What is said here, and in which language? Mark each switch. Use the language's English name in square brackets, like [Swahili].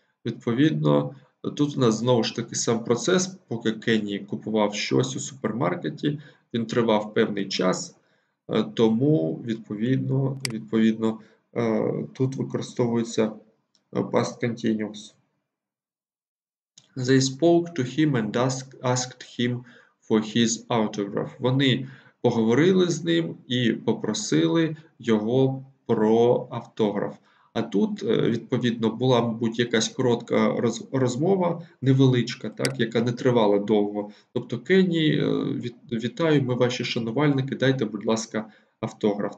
[Ukrainian] Відповідно, тут у нас знову ж таки сам процес, поки Кенні купував щось у супермаркеті, він тривав певний час, тому відповідно тут використовується past continuous. [English] They spoke to him and asked him for his autograph. [Ukrainian] Вони поговорили з ним і попросили його про автограф. А тут, відповідно, була, мабуть, якась коротка розмова, невеличка, так, яка не тривала довго. Тобто, Кенні, вітаю, ми ваші шанувальники, дайте, будь ласка, автограф.